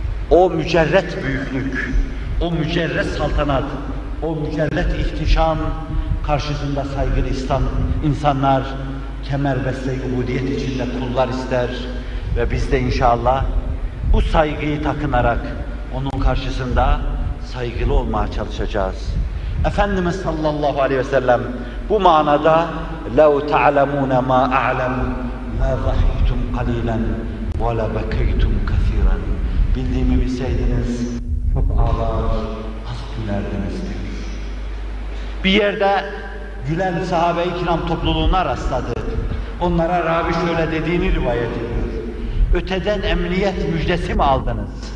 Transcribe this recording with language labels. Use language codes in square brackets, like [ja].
[tr] o mücerret büyüklük, o mücerret saltanat, o mücerret ihtişam karşısında saygılı insanlar kemer besleyi ubudiyet içinde kullar ister ve biz de inşallah bu saygıyı takınarak onun karşısında saygılı olmaya çalışacağız. Efendimiz sallallahu aleyhi ve sellem bu manada [ar] لَوْ تَعْلَمُونَ مَا أَعْلَمُ مَا ضَحِكْتُمْ قَلِيلًا وَلَا بَكَيْتُمْ كَثِيرًا. [tr] Bildiğimi bilseydiniz çok ağlar, az gülerdiniz diyor. Bir yerde gülen sahabe-i kiram topluluğuna rastladı. Onlara Rabi şöyle dediğini rivayet ediyor. Öteden emniyet müjdesi mi aldınız?